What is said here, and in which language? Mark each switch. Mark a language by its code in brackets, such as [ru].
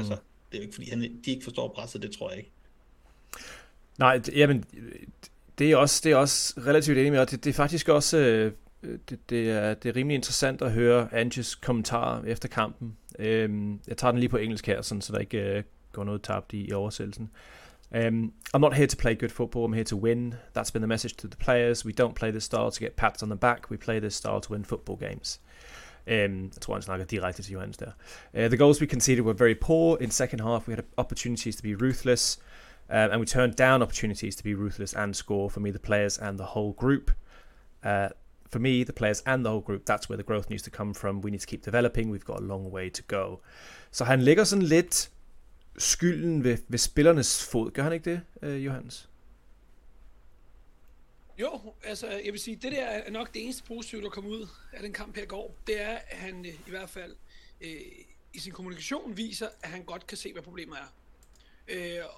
[da] Altså, det er jo ikke, fordi de ikke forstår presset, det tror jeg ikke. Nej, jamen, det er også relativt enig med, og det er faktisk også, det er rimelig interessant at høre Anges kommentar efter kampen. Jeg tager den lige på engelsk her, sådan, så der ikke går noget tabt i oversættelsen. [en] I'm not here to play good football, I'm here to win. That's been the message to the players. We don't play this style to get pats on the back, we play this style to win football games. [da] Jeg tror, han snakker direkte til Johannes der. [en] The goals we conceded were very poor. In second half, we had opportunities to be ruthless. And we turned down opportunities to be ruthless and score. For me, the players and the whole group. That's where the growth needs to come from. We need to keep developing. We've got a long way to go. [da] Så han lægger sådan lidt skylden ved spillernes fod. Gør han ikke det, Johannes? Jo, altså jeg vil sige, det der er nok det eneste positive, der kom ud af den kamp her i går, det er, at han i hvert fald i sin kommunikation viser, at han godt kan se, hvad problemet er.